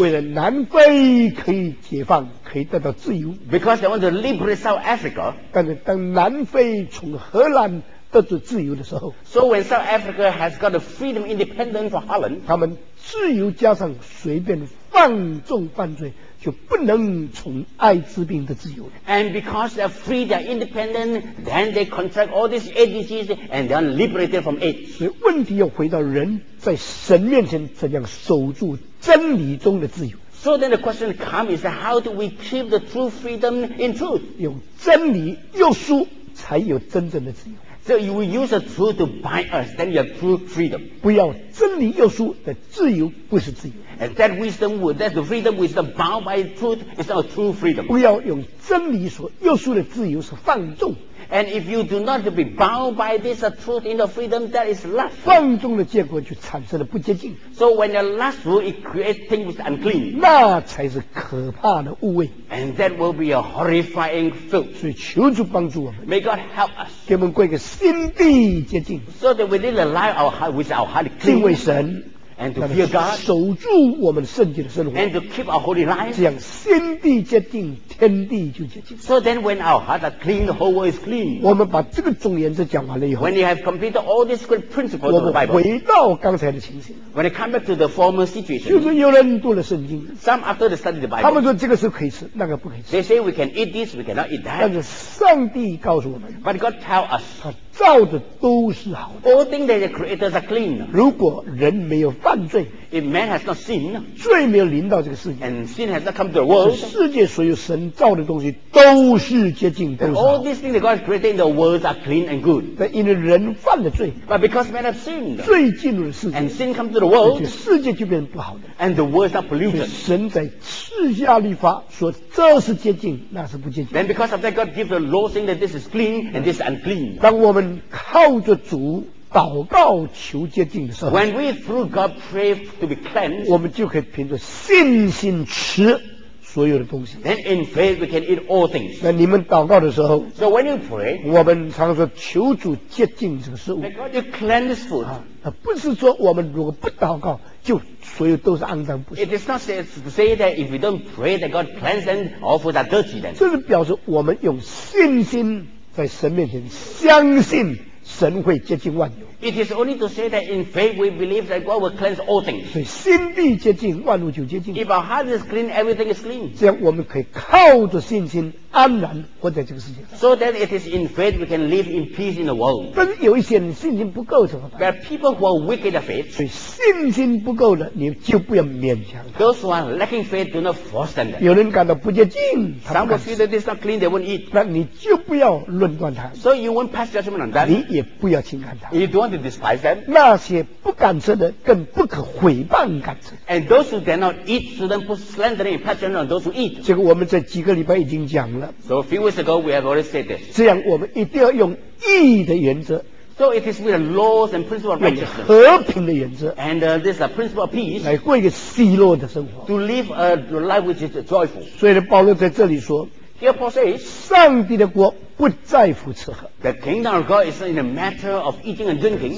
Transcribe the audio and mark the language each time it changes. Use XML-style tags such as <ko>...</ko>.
<zh>为了南非可以解放，可以得到自由。</zh> <en>Because they want to liberate South Africa.</en> <zh>但是当南非从荷兰得到自由的时候</zh> <en>，So when South Africa has got the freedom independent from Holland,</en> <zh>他们自由加上随便放纵犯罪。就不能从艾滋病的自由了。</zh> <en>And because they're free, they're independent, then they contract all these AIDS diseases, and they're liberated from AIDS.</en> <zh>所以问题要回到人在神面前怎样守住真理中的自由。</zh> <en>So then the question comes is how do we keep the true freedom in truth?</en> <zh>用真理约束才有真正的自由。</zh> <en>So you will use the truth to bind us, then you have true freedom.</en> <zh>不要真理约束的自由不是自由。</zh> <en>And that wisdom, that the freedom which is bound by truth is not true freedom.</en> <zh>不要用真理所约束的自由是放纵。</zh> <en>And if you do not be bound by this truth in the freedom, that is lust.</en> <zh>放纵的结果就产生了不洁净。</zh> <en>So when the lust rule, it creates things which are unclean.</en> <zh>那才是可怕的污秽。</zh> <en>And that will be a horrifying filth.</en> <zh>所以求主帮助我们。</zh> <en>May God help us.</en> <zh>给我们过一个心地洁净。</zh> <en>So that we live the life of our heart, which our heart is clean.</en> <zh>敬畏神。</zh> <en>and to fear God，</en> <zh>守住我们圣洁的生活</zh> <en>and to keep our holy life，</en> <zh>这样心地洁净，天地就洁净。</zh> <en>So then when our heart are clean, the whole world is clean。</en> <zh>我们把这个总原则讲完了以后，</zh> <en>when you have completed all these good principles of the Bible，</en> <zh>我们回到刚才的情形，</zh> <en>when you come back to the former situation，</en> <zh>就是有人读了圣经，</zh> <en>some after the study of the Bible，</en> <zh>他们说这个是可以吃，那个不可以吃。</zh> <en>They say we can eat this, we cannot eat that。</en> <zh>但是上帝告诉我们，</zh> <en>but God tell us，</en> <zh>他造的都是好的。</zh> <en>All things that the creators are clean。</en> <zh>如果人没有犯罪，</zh> <en>if man has not sinned，</en> <zh>罪没有临到这个世界，</zh> <en>and sin has not come to the world，</en> <zh>世界所有神造的东西都是洁净，都是好。</zh> <en>All these things that God has created in the world are clean and good，</en> <zh>但因为人犯了罪，</zh> <en>but because man has sinned，</en> <zh>罪进入了世界，</zh> <en>and sin come to the world，</en> <zh>世界就变成不好的，</zh> <en>and the world is not polluted。</en> <zh>神在赐下律法说这是洁净，那是不洁净。</zh> <en>Then because of that God gives the law saying that this is clean and this is unclean。</en> <zh>当我们靠着主祷告求洁净的时候，</zh> <en>when we through God pray to be cleansed，</en> <zh>我们就可以凭着信心吃所有的东西。</zh> <en>Then in faith we can eat all things。</en> <zh>那你们祷告的时候，</zh> <en>so when you pray，</en> <zh>我们常说求主洁净这个事物，</zh> <en>God, you cleanse food。</en> <zh>那不是说我们如果不祷告就所有都是肮脏，不是。</zh> <en>It is not to say that if we don't pray that God cleanse them all foods are dirty then。</en> <zh>这是表示我们用信心在神面前相信神会洁净万有。</zh> <en>It is only to say that in faith we believe that God will cleanse all things。</en> <zh>所以心地洁净，万物就洁净。</zh> <en>If our heart is clean, everything is clean。</en> <zh>这样我们可以靠着信心安然活在这个世界上。</zh> <en>So that it is in faith we can live in peace in the world。</en> <zh>但是有一些人信心不够怎么办？</zh> <en>There are people who are weak in the faith。</en> <zh>所以信心不够了，你就不要勉强。</zh> <en>Those who are lacking faith do not force them。</en> <zh>有人感到不洁净，</zh> <en>some will feel that this is not clean, they won't eat。</en> <zh>那你就不要论断他。</zh> <en>So you won't pass judgment on that。</en> <zh>你也不要轻看他。</zh> <en>You don't want to despise them。</en> <zh>那些不敢吃的更不可毁谤敢吃。</zh> <en>And those who cannot eat shouldn't put slander and pass judgment on those who eat。</en> <zh>这个我们这几个礼拜已经讲了。</zh> <en>So a few weeks ago we have already said this。</en> <zh>这样我们一定要用义的原则。</zh> <en>So it is with the laws and principle of righteousness。</en> <zh>用和平的原则。</zh> <en>And this is a principle of peace。</en> <zh>来过一个喜乐的生活。</zh> <en>To live a life which is joyful。</en> <zh>所以保罗在这里说，</zh> <en>Here Paul says，</en> <zh>上帝的国不在乎吃喝。</zh> <en>The kingdom of God is in a matter of eating and drinking。</en>